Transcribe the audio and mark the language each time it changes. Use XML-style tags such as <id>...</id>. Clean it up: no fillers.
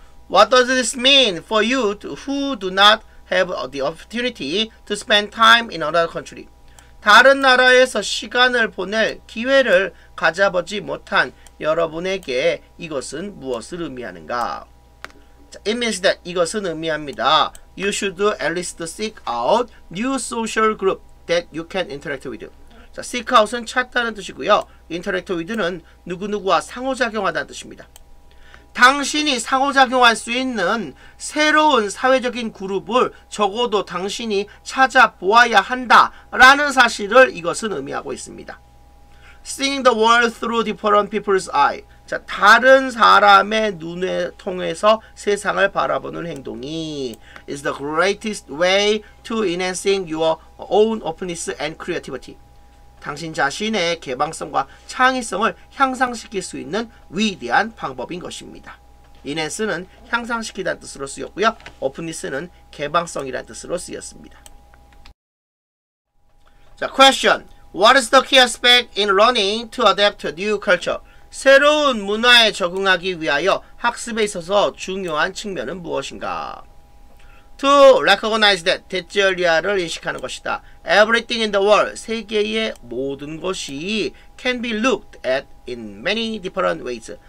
<en>What does this mean for you who do not have the opportunity to spend time in another country?</en> <ko>다른 나라에서 시간을 보낼 기회를 가져보지 못한 여러분에게 이것은 무엇을 의미하는가?</ko> <en>It means that</en> <ko>이것은 의미합니다.</ko> <en>You should at least seek out new social group that you can interact with.</en> <ko>자, seek out은 찾다는 뜻이고요. Interact with는 누구누구와 상호작용하다는 뜻입니다. 당신이 상호작용할 수 있는 새로운 사회적인 그룹을 적어도 당신이 찾아보아야 한다라는 사실을 이것은 의미하고 있습니다.</ko> <en>Seeing the world through different people's eye.</en> <ko>자, 다른 사람의 눈에 통해서 세상을 바라보는 행동이</ko> <en>is the greatest way to enhancing your own openness and creativity.</en> <ko>당신 자신의 개방성과 창의성을 향상시킬 수 있는 위대한 방법인 것입니다. Enhance는 향상시키다는 뜻으로 쓰였고요. Openness는 개방성이라는 뜻으로 쓰였습니다.</ko> <en>자, question. What is the key aspect in learning to adapt to new culture?</en> <ko>새로운 문화에 적응하기 위하여 학습에 있어서 중요한 측면은 무엇인가?</ko> <en>To recognize that,</en> <ko>대절리아를 인식하는 것이다.</ko> <en>Everything in the world,</en> <ko>세계의 모든 것이</ko> <en>can be looked at in many different ways.</en>